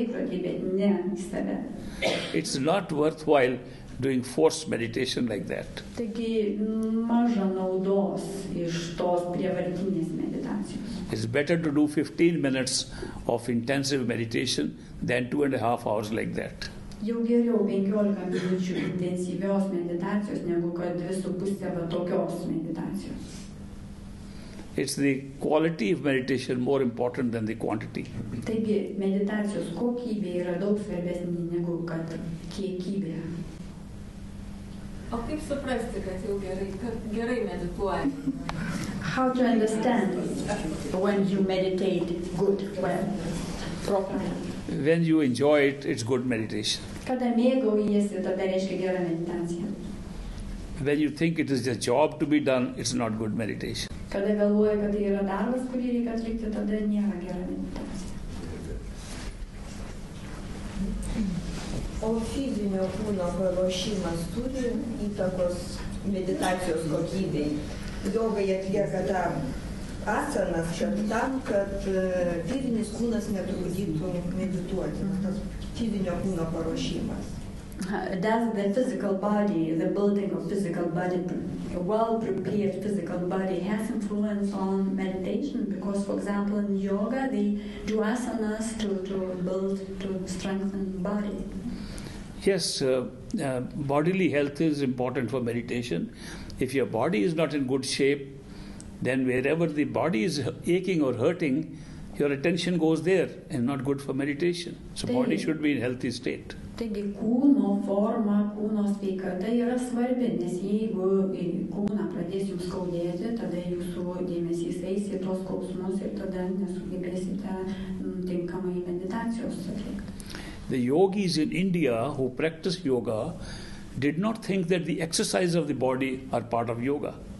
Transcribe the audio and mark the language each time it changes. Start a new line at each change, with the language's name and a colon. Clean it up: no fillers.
English: It's not worthwhile doing forced meditation like that.
Lithuanian: Taigi, maža naudos iš tos prievartinės meditacijos.
English: It's better to do 15 minutes of intensive meditation than 2.5 hours like that.
Lithuanian: Jau geriau 15 minučių intensyvios meditacijos negu kad 2.5 tokios meditacijos.
English: It's the quality of meditation more important than the quantity.
Lithuanian: Taigi, meditacijos kokybė yra daug svarbesnė negu kad kiekybė. O kaip suprasti, kad jau gerai medituoji?
English: How to understand when you meditate good, well, properly? When you enjoy it, it's good meditation.
Lithuanian: Kada mėgaujiesi, tada reiškia gera meditacija.
English: When you think it is a job to be done, it's not good meditation.
Lithuanian: Kada galvoji, kad tai yra darbas, kurį reikia atlikti, tada nėra gera meditacija. O fizinio kūno paruošimas turi įtakos meditacijos kokybei. Jogai atlieka tą asaną tam, kad fizinis kūnas netrukdytų medituoti. Tas fizinio kūno paruošimas.
English: Does the physical body, the building of physical body, well-prepared physical body, has influence on meditation? Because, for example, in yoga, they do asanas to build, to strengthen body. Yes, bodily health is important for meditation. If your body is not in good shape, then wherever the body is aching or hurting, your attention goes there and not good for meditation. So body should be in healthy state.
Lithuanian: Taigi kūno forma, kūno sveikata yra svarbi, nes jeigu kūną pradės jums skaudėti, tada jūsų dėmesys eis į tos skausmus ir tada nesugebėsite tinkamai meditacijos atlikti.
English: The yogis in India who practice yoga did not think that the exercise of the body are part of yoga.